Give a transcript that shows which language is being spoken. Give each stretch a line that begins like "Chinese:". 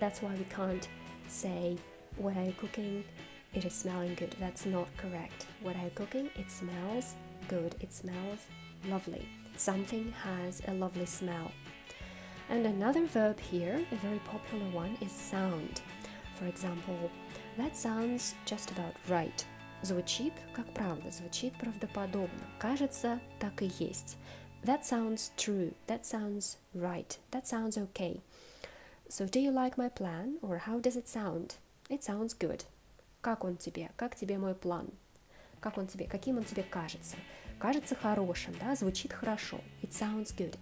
English: That's why we can't say, what are you cooking? It is smelling good. That's not correct. What are you cooking? It smells good. It smells lovely. Something has a lovely smell. And another verb here, a very popular one, is sound. For example, that sounds just about right.
Russian: Звучит как правда, звучит правдоподобно. Кажется, так и есть.
English: That sounds true, that sounds right, that sounds okay. So do you like my plan, or how does it sound? It sounds good.
Russian: Как он тебе? Как тебе мой план? Как он тебе? Каким он тебе кажется? Кажется хорошим, да? Звучит хорошо.
English: It sounds good.